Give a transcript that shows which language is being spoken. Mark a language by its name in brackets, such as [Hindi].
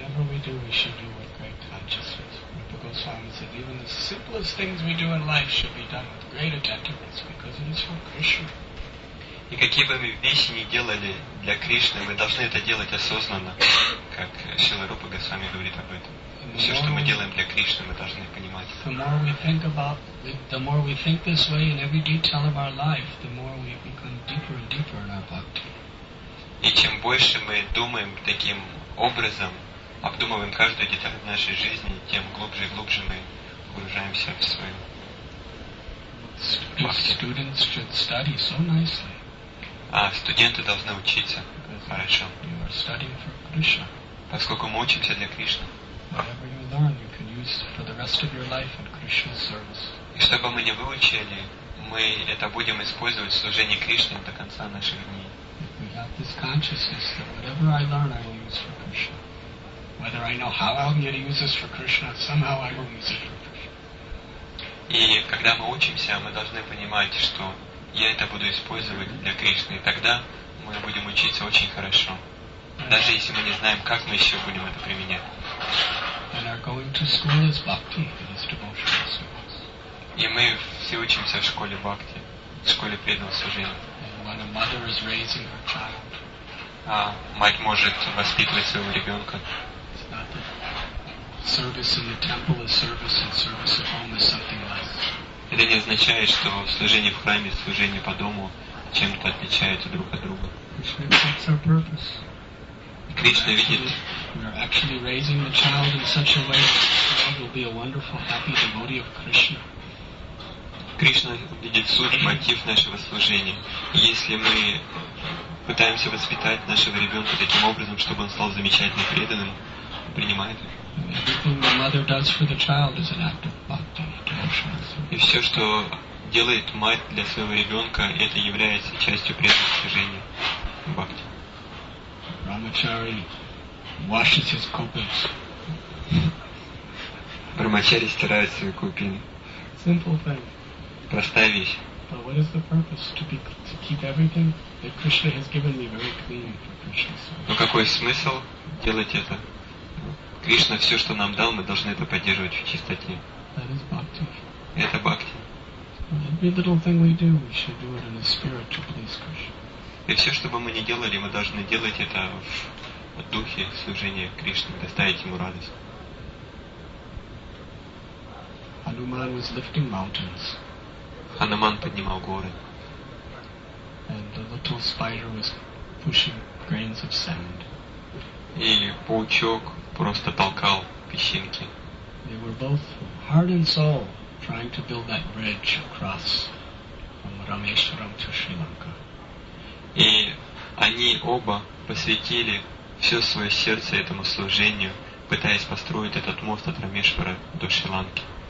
[English] We do, we should do with great consciousness. Rupa Goswami said, even the simplest things we do in life should be done with great attentiveness because it is for Krishna. [Russian] И какие бы мы вещи ни делали, для Кришны мы должны это делать осознанно, как Шрила Рупа Госвами говорит об этом. Все, что мы делаем для Кришны, мы должны понимать. [English] The more we think about, the more we think this way in every detail of our life, the more we become deeper and deeper in our bhakti. [Russian] И чем больше мы думаем таким образом, обдумываем каждую деталь нашей жизни, тем глубже и глубже мы погружаемся в свою [English] бхакти. Students should study so nicely. [Russian] А студенты должны учиться хорошо. [English] You are studying for Krishna. [Russian] Поскольку мы учимся для Кришны. [English] Whatever you learn, you can use for the rest of your life in Krishna's service. [Russian] И что бы мы ни выучили, мы это будем использовать в служении Кришне до конца наших дней. [English] If we have this consciousness that whatever I learn, I will use for Krishna. Whether I know how I'm going to use this for Krishna, somehow I will use it for Krishna. [Russian] И когда мы учимся, мы должны понимать, что я это буду использовать для Кришны. И тогда мы будем учиться очень хорошо. Даже если мы не знаем, как мы еще будем это применять. [English] And are going to school as bhakti, as devotional students. [Russian] И мы все учимся в школе бхакти, в школе преданного служения. [English] When a mother is raising her child. [Russian] А мать может воспитывать своего ребенка. [English] It's not that service in the temple is service, and service at home is something less. [Russian] Это не означает, что служение в храме, служение по дому чем-то отличаются друг от друга. [English] Krishna sees our purpose. [Russian] Кришна видит. [English] We are actually raising the child in such a way that the child will be a wonderful, happy devotee of Krishna. [Russian] Кришна видит суть, мотив нашего служения. Если мы пытаемся воспитать нашего ребенка таким образом, чтобы он стал замечательным преданным, принимает. [English] Everything the mother does for the child is an act of bhakti, devotional service. [Russian] И все, что делает мать для своего ребенка, это является частью преданного служения бхакти. [English] Brahmachari washes his kupins. [Russian] Брахмачари стирает свои купины. [English] Simple thing. [Russian] Простая вещь. [English] But what is the purpose to keep everything that Krishna has given me very clean for Krishna's service? [Russian] Но какой смысл делать это? Кришна все, что нам дал, мы должны это поддерживать в чистоте. [English] That is bhakti. [Russian] Это бхакти. [English] Every little thing we do, we should do it in the spirit to please Krishna. [Russian] И все, что бы мы ни делали, мы должны делать это в духе служения Кришне, доставить ему радость. [English] Hanuman was lifting mountains. [Russian] Hanuman поднимал горы. [English] And the little spider was pushing grains of sand. [Russian] И паучок просто толкал песчинки. [English] They were both heart and soul trying to build that bridge across from Rameshwaram to Sri Lanka. [Russian] И они оба посвятили все свое сердце этому служению, пытаясь построить этот мост от Рамешвара до Шри-Ланки.